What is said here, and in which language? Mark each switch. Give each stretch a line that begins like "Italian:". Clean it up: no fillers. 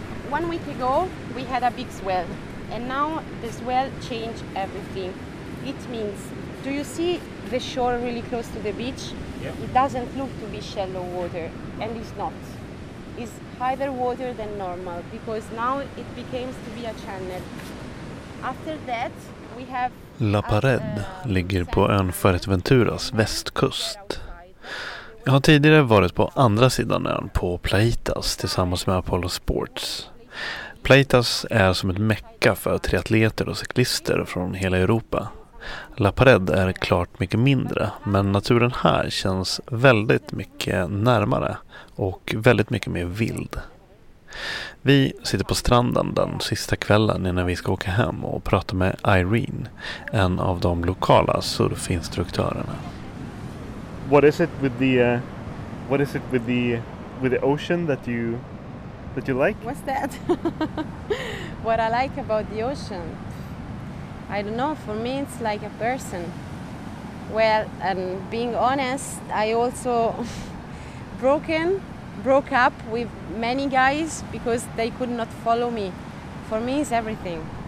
English: One week ago, we had a big swell, and now the swell changed everything. It means, do you see the shore really close to the beach? Yeah. It doesn't look to be shallow water, and it's not. It's higher water than normal, because now it became to be a channel. After that, we have...
Swedish: La Pared ligger på ön Fuerteventuras västkust. Jag har tidigare varit på andra sidan ön, på Plaitas, tillsammans med Apollo Sports. Plaitas är som ett mecka för triatleter och cyklister från hela Europa. La Pared är klart mycket mindre, men naturen här känns väldigt mycket närmare och väldigt mycket mer vild. Vi sitter på stranden den sista kvällen innan vi ska åka hem och prata med Irene, en av de lokala surfinstruktörerna.
English: What is it with the ocean that you What you like? What's that? What I like about the ocean? I don't know, for me it's like a person. Well, being honest, I also broke up with many guys because they could not follow me. For me it's everything.